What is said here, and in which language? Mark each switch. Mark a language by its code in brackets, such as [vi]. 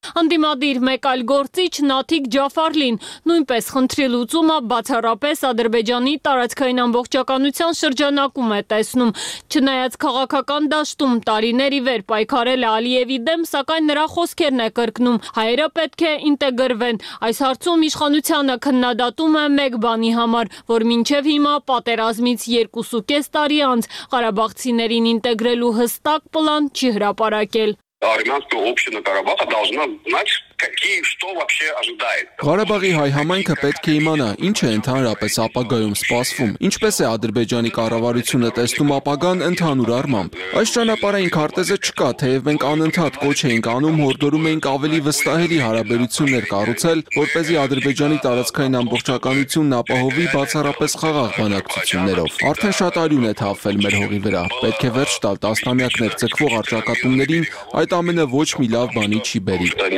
[hy] Անդիմադիր մեկ այլ գործիչ Նաթիկ Ջաֆարլին նույնպես խնդրի լուծումը բացառապես Ադրբեջանի տարածքային ամբողջականության շրջանակում է տեսնում, չնայած քաղաքական դաշտում տարիների վեր պայքարել է Ալիևի դեմ, սակայն նրա խոսքերն է կրկնում. Հայերը պետք է ինտեգրվեն։ Այս հարցում իշխանությունը քննադատում է մեկ բանի համար, որ մինչև հիմա պատերազմից 2.5 տարի անց ղարաբաղցիներին ինտեգրելու հստակ պլան չի հրապարակել։ [ru] Армянская община Карабаха должна знать, какие что вообще ожидает. [hy] Ղարաբաղի հայ համայնքը պետք է իմանա, ինչ է ընդհանրապես ապագայում սպասվում, ինչպես է Ադրբեջանի կառավարությունը տեսնում ապագան ընդհանուր առմամբ։ Այս ճանապարհային քարտեզը չկա, թեև մենք անընդհատ կոչ էինք անում, հորդորում էինք ավելի վստահելի հարաբերություններ կառուցել, որպեսզի Ադրբեջանի տարածքային ամբողջականությունն ապահովի բացառապես խաղաղ բանակցություններով։ Արդեն շատ արյուն է թափվել մեր հողի վրա, պետք է վերջ տալ տասնամյակներ ձգվող արճակատումներին, այդ ամենը ոչ մի լավ բանի չի բերի։